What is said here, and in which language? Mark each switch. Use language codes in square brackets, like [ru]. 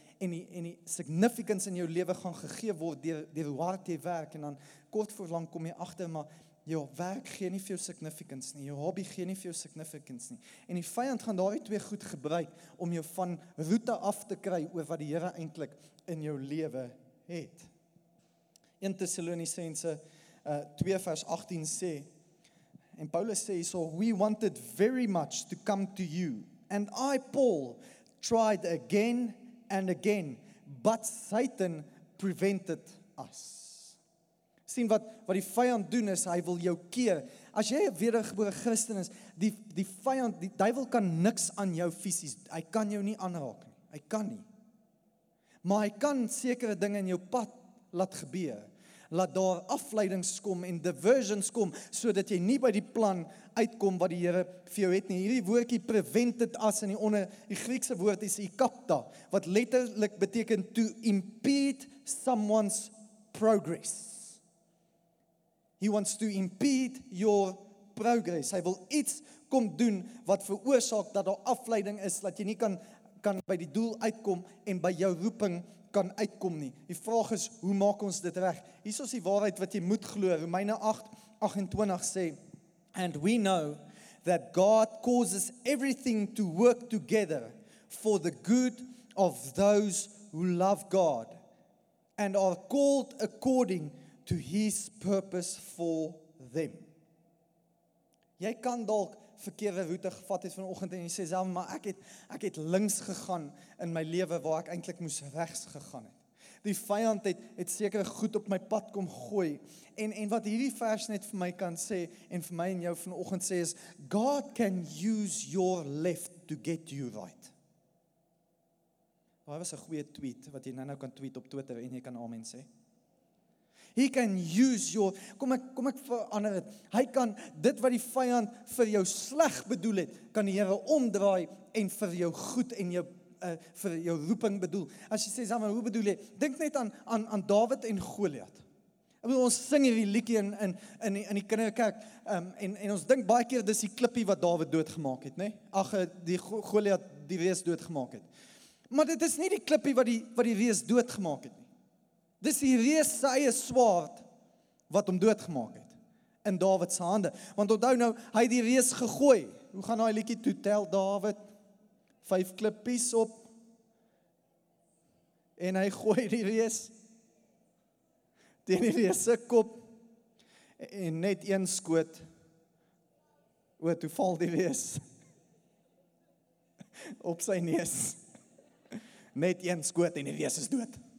[af] en die significance in jou lewe gaan gegee word deur hoe hard jy werk, en dan kort voor lank kom jy agter, maar jou werk gee nie vir jou significance nie, jou hobby gee nie vir jou significance nie, en die vyand gaan daai twee goed gebruik om jou van roete af te kry oor wat die Here eintlik in jou lewe het. 1 Tessalonisense 2 vers 18 sê, en Paulus sê, [en] so we wanted very much to come to you, and I, Paul, tried again and again, but Satan prevented us. [af] Sien wat die vyand doen is, hy wil jou keer. As jy 'n wedergebore Christen is, die vyand, die duiwel kan niks aan jou fisies, hy kan jou nie aanraak nie, hy kan nie. Maar hy kan sekere dinge in jou pad laat gebeur, laat daar afleidings kom en diversions kom, sodat jy nie by die plan uitkom wat die Here vir jou het nie. Hierdie woordjie prevented as in die Griekse woord is ikapta, wat letterlik beteken [en] to impede someone's progress. He wants to impede your progress. [af] Hy wil iets kom doen wat veroorsaak dat daar afleiding is, dat jy nie kan by die doel uitkom en by jou roeping kan uitkom nie. Die vraag is, hoe maak ons dit reg? Hier is die waarheid wat jy moet glo. Romeine 8:28 sê, [en] and we know that God causes everything to work together for the good of those who love God and are called according to his purpose for them. [af] Jy kan dalk verkeerde route gevat het vanoggend en jy sê self, maar ek het links gegaan in my lewe waar ek eintlik moes regs gegaan het. Die vyand het sekere goed op my pad kom gooi. En wat hierdie vers net vir my kan sê en vir my en jou vanoggend sê is, [en] God can use your left to get you right. [af] Waar was 'n goeie tweet wat jy nou kan tweet op Twitter en jy kan amen sê? [en] He can use your, [af] kom ek verander het, hy kan dit wat die vyand vir jou sleg bedoel het, kan die Here omdraai en vir jou goed en jou, vir jou roeping bedoel. As jy sê, Samuel, hoe bedoel jy? Dink net aan David en Goliath. Ek bedoel, ons sing hierdie liedjie in die kinderkerk, en ons dink baie keer, dis die klippie wat David doodgemaak het, nee? Ag, die Goliath die reus doodgemaak het. Maar dit is nie die klippie wat die reus doodgemaak het. Dis die reus sy eie swaard wat hom doodgemaak het in David se hande. Want onthou nou, hy het die reus gegooi. Hoe gaan hy liedjie toe tel David? 5 klippies op. En hy gooi die reus teen die reus se kop. En net een skoot. O, toe val die reus op sy neus. Net een skoot en die reus is dood.